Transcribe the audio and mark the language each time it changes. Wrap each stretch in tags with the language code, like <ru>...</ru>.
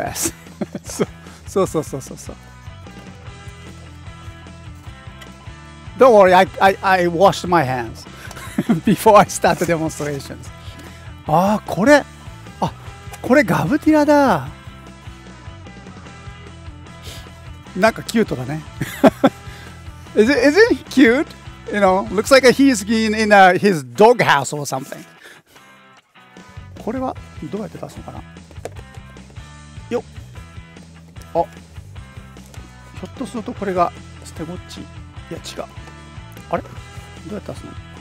<en>S そう Don't worry, I washed my hands before I start the demonstrations.</en> <ja>ああ、これこれガブティラだ。なんかキュートだね。</ja> <en>isn't he cute? You know, looks like he's in his dog house or something.</en> <ja>これはどうやって出すのかな。よっ。あ、ひょっとするとこれがステゴッチ。いや違う。あれ、どうやって出すの。</ja>